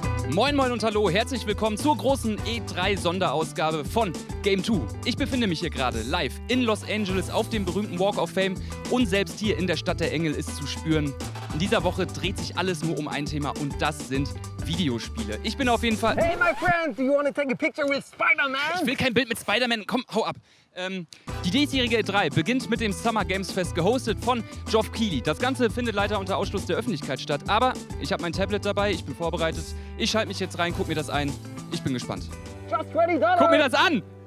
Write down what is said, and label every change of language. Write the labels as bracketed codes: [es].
[de] Moin moin und hallo, herzlich willkommen zur großen E3-Sonderausgabe von Game 2. Ich befinde mich hier gerade live in Los Angeles auf dem berühmten Walk of Fame und selbst hier in der Stadt der Engel ist zu spüren. In dieser Woche dreht sich alles nur um ein Thema und das sind Videospiele. Ich bin auf jeden Fall... [en] Hey my friend, do you want to take a picture with Spider-Man? [de] Ich will kein Bild mit Spider-Man, komm, hau ab. Die diesjährige E3 beginnt mit dem Summer Games Fest, gehostet von Geoff Keighley. Das Ganze findet leider unter Ausschluss der Öffentlichkeit statt, aber ich habe mein Tablet dabei, ich bin vorbereitet. Ich schalte mich jetzt rein, guck mir das ein. Ich bin gespannt. [en] Just $20. [de] Guck mir das an!